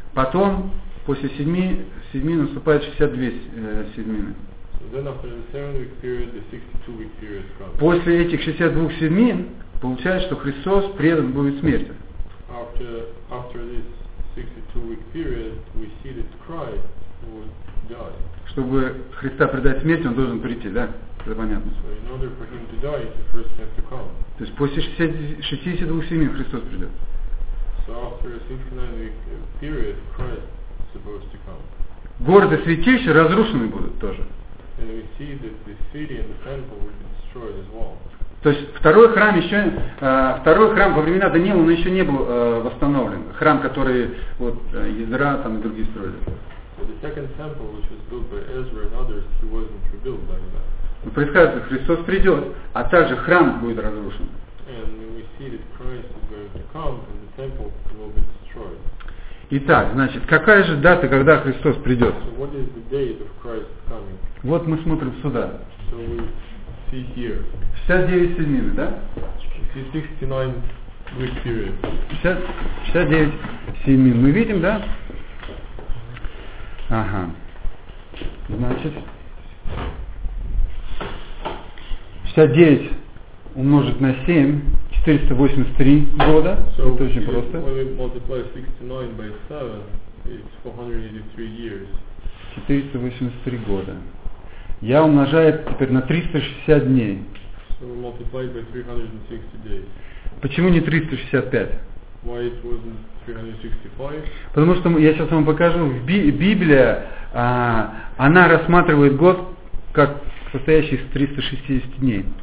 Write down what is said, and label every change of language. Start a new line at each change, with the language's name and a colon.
Russian: Потом, после седьми наступает 62 седьмины.
English: So then after the 7-week period, the 62-week period comes.
Russian: После этих 62 седьмин получается, что Христос предан будет смерти.
English: After this 62-week period, we see that Christ would die.
Russian: Чтобы Христа предать смерти, он должен прийти, да? Это понятно.
English: So in order for him to die, he first have to come.
Russian: То есть после 62 седьмин Христос придет.
English: So after a 69-week period, Christ is supposed to come.
Russian: Город и святилище разрушены будут тоже.
English: And we see that the city and the temple will be destroyed as well.
Russian: То есть второй храм еще второй храм во времена Даниила он еще не был восстановлен. Храм, который вот Ездра там и другие строили.
English: So the second temple, which was built by Ezra and others, he wasn't rebuilt by them.
Russian: Но предсказывает, что Христос придет, а также храм будет разрушен.
English: And we see that Christ is going to come and the temple will be destroyed.
Russian: Итак, значит, какая же дата, когда Христос придет?
English: So what is the date of Christ coming?
Russian: Вот мы смотрим сюда.
English: So we see here.
Russian: 69 седмин, да?
English: 69 week period.
Russian: 69 седмин. Мы видим, да? Ага. Значит, 69 умножить на 7. 483 года.
English: So
Russian: это очень просто.
English: When we multiply 69 by 7, it's 483 years.
Russian: 483 года. Я умножаю теперь на 360 дней.
English: So we multiply by 360 days.
Russian: Почему не 365?
English: Why it wasn't 365?
Russian: Потому что я сейчас вам покажу, Библия, она рассматривает год как состоящий из 360 дней.